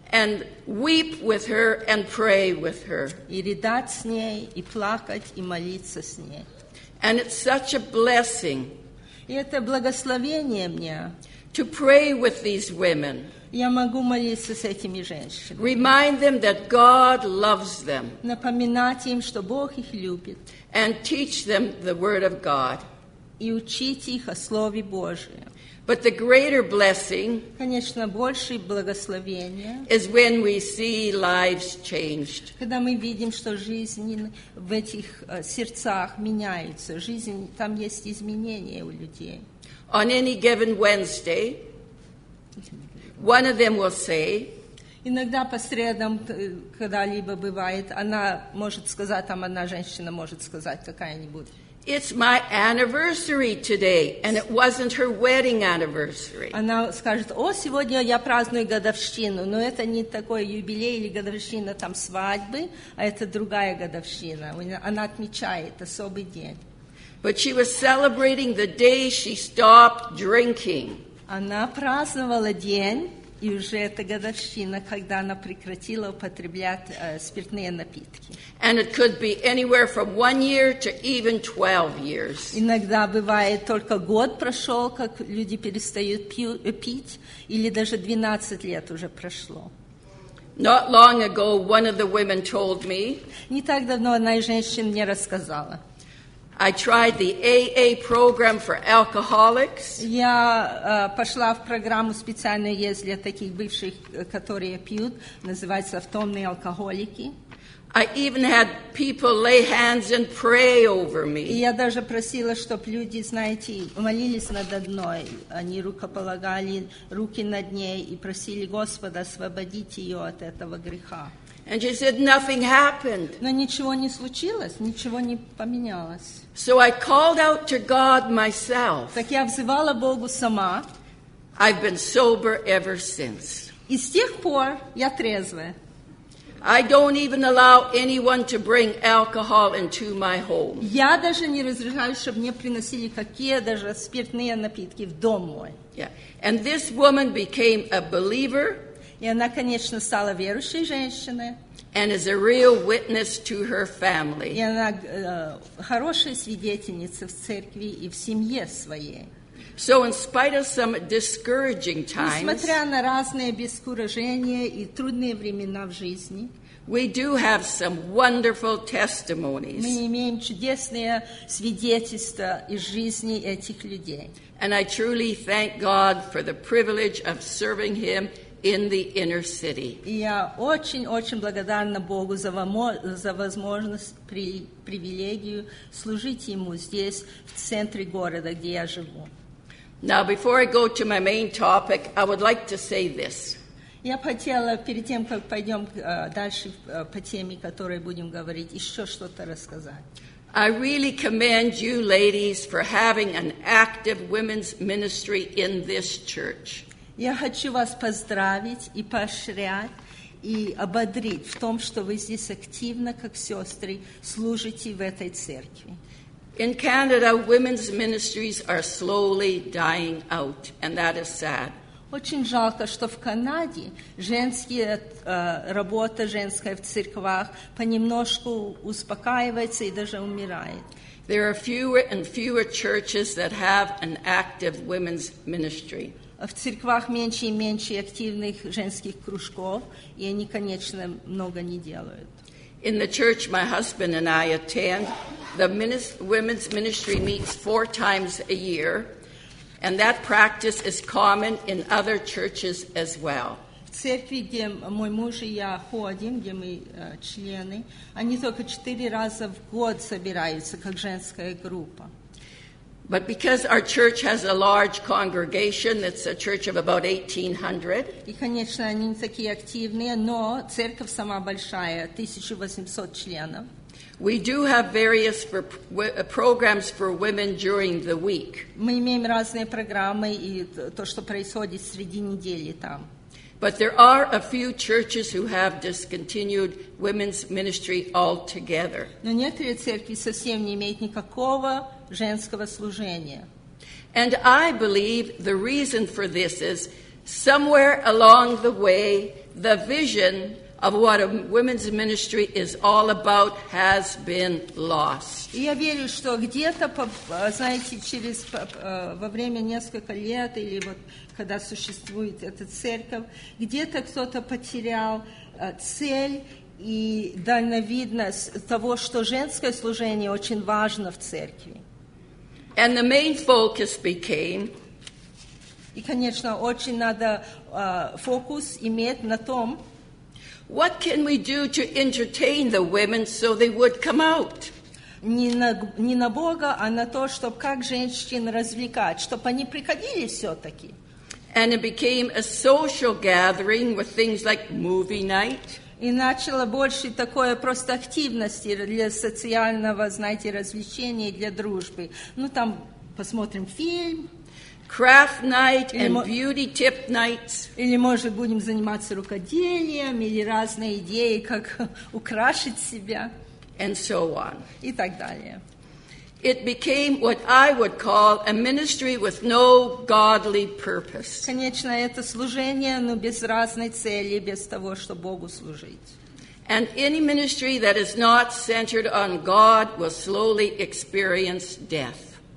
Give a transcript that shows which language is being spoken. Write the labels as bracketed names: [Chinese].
[English] and weep with her and pray with her, [Russian] и рыдать с ней и плакать и молиться с ней. [English] And it's such a blessing. [Russian] И это благословение мне. [English] To pray with these women. [Russian] Я могу молиться с этими женщинами. [English] Remind them that God loves them. [Russian] Напоминать им, что Бог их любит. [English] And teach them the word of God. [Russian] И учить их о Слове Божьем. [English] But the greater blessing. [Russian] Конечно, большее благословение. [English] Is when we see lives changed. [Russian] Когда мы видим, что жизни в этих сердцах меняются. Жизнь, там есть изменения у людей. [English] On any given Wednesday, one of them will say, [Russian] иногда по средам, когда-либо бывает, она может сказать, там одна женщина может сказать какая-нибудь. [English] It's my anniversary today, and it wasn't her wedding anniversary. [Russian] Она скажет, о, сегодня я праздную годовщину, но это не такой юбилей или годовщина там свадьбы, а это другая годовщина. Она отмечает особый день. [English] But she was celebrating the day she stopped drinking. [Russian] Она праздновала день, и уже это годовщина, когда она прекратила употреблять спиртные напитки. [English] And it could be anywhere from 1 year to even 12 years. [Russian] Иногда бывает только год прошел, как люди перестают пить, или даже 12 лет уже прошло. [English] Not long ago, one of the women told me. [Russian] Не так давно одна из женщин мне рассказала. [English] I tried the AA program for alcoholics. [Russian] Я пошла в программу специально есть для таких бывших, которые пьют, называется автомные алкоголики. [English] I even had people lay hands and pray over me. [Russian] Я даже просила, чтобы люди, знаете, молились над одной, они рукополагали руки над ней и просили Господа освободить ее от этого греха. [English] And she said nothing happened. [Russian] Но ничего не случилось, ничего не поменялось. [English] So I called out to God myself. [Russian] Так я взывала Богу сама. [English] I've been sober ever since. [Russian] И с тех пор я трезвая. [English] I don't even allow anyone to bring alcohol into my home. [Russian] Я даже не разрешаю, чтобы мне приносили какие даже спиртные напитки в дом мой. [English] Yeah. And this woman became a believer. [Russian] И она, конечно, стала верующей женщиной. [English] And is a real witness to her family. [Russian] И она хорошая свидетельница в церкви и в семье своей. [English] So in spite of some discouraging times, [Russian] несмотря на разные обескуражения и трудные времена в жизни, [English] we do have some wonderful testimonies. [Russian] Мы имеем чудесные свидетельства из жизни этих людей. [English] And I truly thank God for the privilege of serving Him in the inner city. [Russian] Я очень-очень благодарна Богу за возможность, привилегию служить Ему здесь, в центре города, где я живу. [English] Now, before I go to my main topic, I would like to say this. [Russian] Я хотела, перед тем, как пойдем дальше по теме, о которой будем говорить, еще что-то рассказать. [English] I really commend you ladies for having an active women's ministry in this church. [Russian] Я хочу вас поздравить и поощрять и ободрить в том, что вы здесь активно, как сестры, служите в этой церкви. [English] In Canada, women's ministries are slowly dying out, and that is sad. [Russian] Очень жалко, что в Канаде женские работа женская в церквах понемножку успокаивается и даже умирает. [English] There are fewer and fewer churches that have an active women's ministry. [Russian] В церквах меньше и меньше активных женских кружков, и они, конечно, много не делают. [English] In the church my husband and I attend, the women's ministry meets 4 times a year. And that practice is common in other churches as well. [Russian] В церкви, где мой муж и я ходим, где мы члены, они только 4 раза в год собираются как женская группа. [English] But because our church has a large congregation, it's a church of about 1,800. [Russian] И конечно, они не такие активные, но церковь сама большая, 1,800 членов. [English] We do have various programs for women during the week. [Russian] Мы имеем разные программы и то, что происходит среди недели там. [English] But there are a few churches who have discontinued women's ministry altogether. [Russian] Но некоторые церкви совсем не имеют никакого женского служения. [English] And I believe the reason for this is somewhere along the way the vision of what a women's ministry is all about has been lost. [Russian] Я верю, что где-то, знаете, через во время несколько лет или вот когда существует эта церковь, где-то кто-то потерял цель и дальновидность того, что женское служение очень важно в церкви. [English] And the main focus became. [Russian] И, конечно, очень надо фокус иметь на том. [English] What can we do to entertain the women so they would come out? [Russian] Не на Бога, а на то, чтобы как женщин развлекать, чтобы они приходили все-таки. [English] And it became a social gathering with things like movie night. [Russian] И начало больше такое просто активности для социального, знаете, развлечения, для дружбы. Ну там посмотрим фильм. [English] Craft night and beauty tip nights. [Russian] Или может будем заниматься рукоделием или разные идеи, как украшить себя. [English] And so on. [Russian] И так далее. [English] It became what I would call a ministry with no godly purpose. [Russian] Конечно, это служение, но без разной цели, без того, чтобы Богу служить. [English] And any ministry that is not centered on God will slowly experience death.